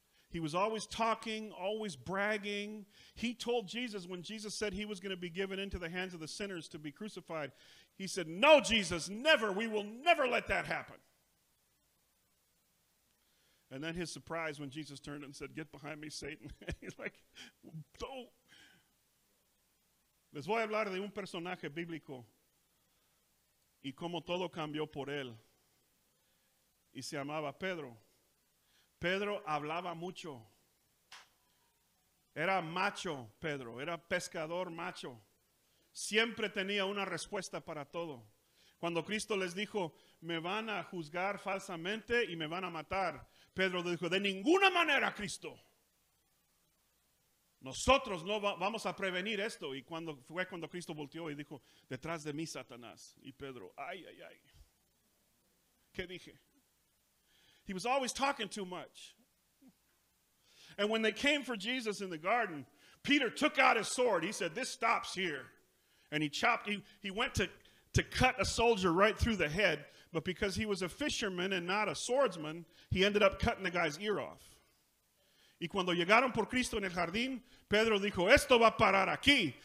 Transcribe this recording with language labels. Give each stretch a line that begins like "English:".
English: He was always talking, always bragging. He told Jesus, when Jesus said he was going to be given into the hands of the sinners to be crucified, he said, "No, Jesus, never. We will never let that happen." And then his surprise when Jesus turned and said, "Get behind me, Satan." He's like, "Don't."
Spanish: Les voy a hablar de un personaje bíblico y cómo todo cambió por él. Y se llamaba Pedro. Pedro hablaba mucho. Era macho, Pedro. Era pescador macho. Siempre tenía una respuesta para todo. Cuando Cristo les dijo, "Me van a juzgar falsamente y me van a matar." Pedro dijo, "De ninguna manera, Cristo. Nosotros no vamos a prevenir esto." Y fue cuando Cristo volteó y dijo, "Detrás de mí, Satanás." Y Pedro, "Ay, ay, ay. ¿Qué dije?"
English: He was always talking too much. And when they came for Jesus in the garden, Peter took out his sword. He said, "This stops here." And he chopped. He went to cut a soldier right through the head. But because he was a fisherman and not a swordsman, he ended up cutting the guy's ear off.
Spanish: Y cuando llegaron por Cristo en el jardín, Pedro dijo, "Esto va a parar aquí."